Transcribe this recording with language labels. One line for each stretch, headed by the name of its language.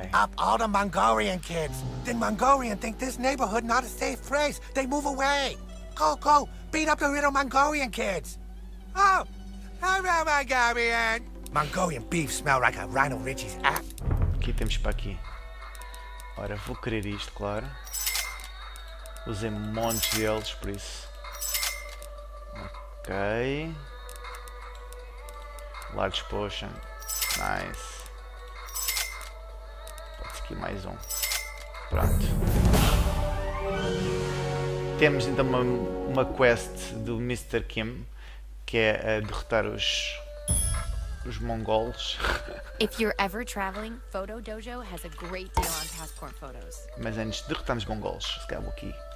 English: Beat up all the Mongolian kids. The Mongolian think this neighborhood not a safe place. They move away. Go, go. Beat up the little Mongolian kids. Oh, hello, Mongolian. Mongolian beef smell like a Rhino Ridge's app.
Portuguese: Aqui temos para aqui. Ora, vou querer isto, claro. Usei montes deles, por isso. Ok.
English: Large potion. Nice.
Portuguese: Pode ser aqui mais um. Pronto. Temos então uma quest do Mr. Kim, que é a derrotar os mongols.
English: If you're ever traveling, Photo Dojo has a great deal on passport photos.
Portuguese: Mas antes de derrotar os mongols, se calhar vou aqui.